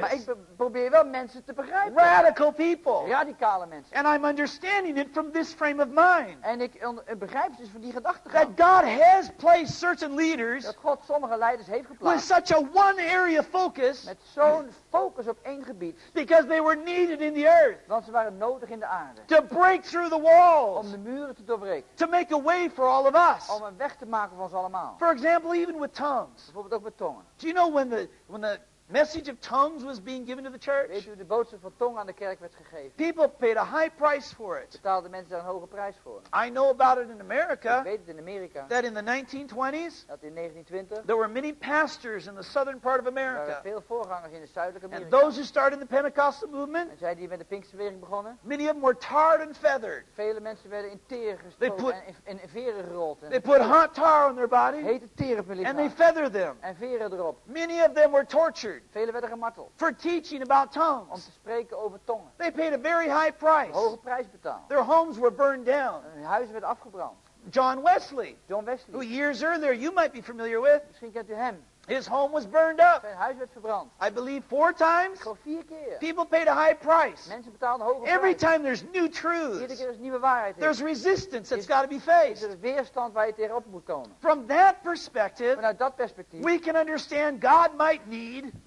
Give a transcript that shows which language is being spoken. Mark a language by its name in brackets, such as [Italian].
[Dutch] Maar ik probeer wel mensen te begrijpen. [English] Radical people. [Dutch] Radicale mensen. [English] And I'm understanding it from this frame of mind. [Dutch] En ik begrijp het dus van die gedachtegang. [English] That God has placed certain leaders. [Dutch] Dat God sommige leiders heeft geplaatst. [English] With such a one area focus. [Dutch] Met zo'n focus op één gebied. [English] Because they were needed in the earth. [Dutch] Want ze waren nodig in de aarde. [English] To break through the walls. [Dutch] Om de muren te doorbreken. [English] To make a way for all of us. [Dutch] Om een weg te maken voor ons allemaal. [English] For example, even with tongues. [Dutch] Bijvoorbeeld ook met tongen. [English] Do you know when the message of tongues was being given to the church. [Dutch] Weet u, de boodschap van tongen aan de kerk werd gegeven. [English] People paid a high price for it. [Dutch] Betaalden mensen daar een hoge prijs voor. [English] I know about it in America. [Dutch] Ik weet het in Amerika. [English] That in the 1920s. [Dutch] Dat in 1920. [English] There were many pastors in the southern part of America. [Dutch] Waren veel voorgangers in de zuidelijke Amerika. [English] And those who started the Pentecostal movement. [Dutch] En zij die met de Pinksterbeweging begonnen. [English] Many of them were tarred and feathered. [Dutch] Vele mensen werden in teer gestoken en veren gerold. [English] They put hot tar on their body. [Dutch] Hete teer op hun lichaam. [English] And they feathered them. [Dutch] En veren erop. [English] Many of them were tortured. [Dutch] Vele werden gemarteld. [English] For teaching about tongues. [Dutch] Om te spreken over tongen. [English] They paid a very high price. [Dutch] Een hoge prijs betaald. [English] Their homes were burned down. [Dutch] Hun huizen werden afgebrand. [English] John Wesley. Who years earlier you might be familiar with. [Dutch] Misschien kent u hem. [English] His home was burned up. [Dutch] Zijn huis werd verbrand. [English] I believe 4 times. [Dutch] Ik geloof 4 keer. [English] People paid a high price. [Dutch] Mensen betaalden hoge prijs. [English] Every time there's new truth. [Dutch] Iedere keer is nieuwe waarheid. [English] There's resistance that's got to be faced. [Dutch] Is er weerstand waar je tegenop moet komen. [English] From that perspective. [Dutch] Vanuit dat perspectief. [English] We can understand God might need.